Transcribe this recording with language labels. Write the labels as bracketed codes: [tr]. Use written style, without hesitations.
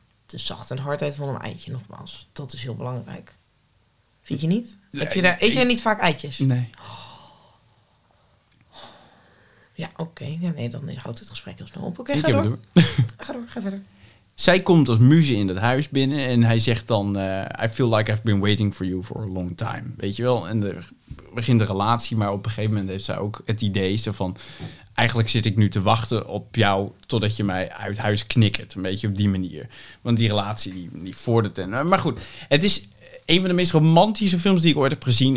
[nl] De zacht en hardheid van een eitje nogmaals. Dat is heel belangrijk. Vind je niet? Eet jij niet vaak eitjes? Nee. Ja, oké. Okay. Nee, dan houdt het gesprek heel snel op. Oké, okay, ga door. Ga door, ga verder. Zij komt als muze in dat huis binnen en hij zegt dan... [en] I feel like I've been waiting for you for a long time. [nl] Weet je wel? En er begint de relatie, maar op een gegeven moment heeft zij ook het idee... Zo van, eigenlijk zit ik nu te wachten op jou totdat je mij uit huis knikkert. Een beetje op die manier. Want die relatie die vordert. Maar goed, het is een van de meest romantische films die ik ooit heb gezien.